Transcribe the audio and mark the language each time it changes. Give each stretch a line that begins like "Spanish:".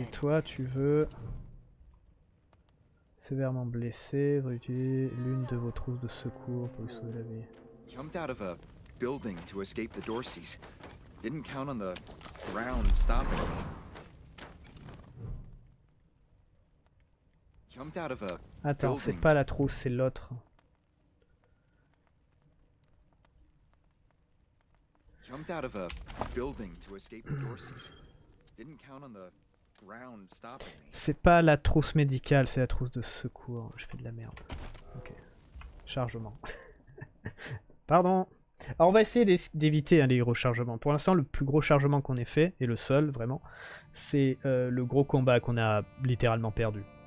French: Et toi, tu veux sévèrement blessé, réutiliser l'une de vos trousses de secours pour lui sauver la vie.
English: Jumped out of a building to escape the Dorseys. Didn't count on the ground stopping me.
French: Attends, c'est pas la trousse, c'est l'autre.
English: Jumped out of a building to escape the Dorseys. Didn't count on the ground stopping me.
French: C'est pas la trousse médicale, c'est la trousse de secours. Je fais de la merde. Ok. Chargement. Pardon. Alors on va essayer d'éviter hein, les rechargements. Pour l'instant, le plus gros chargement qu'on ait fait, et le seul vraiment, c'est le gros combat qu'on a littéralement perdu.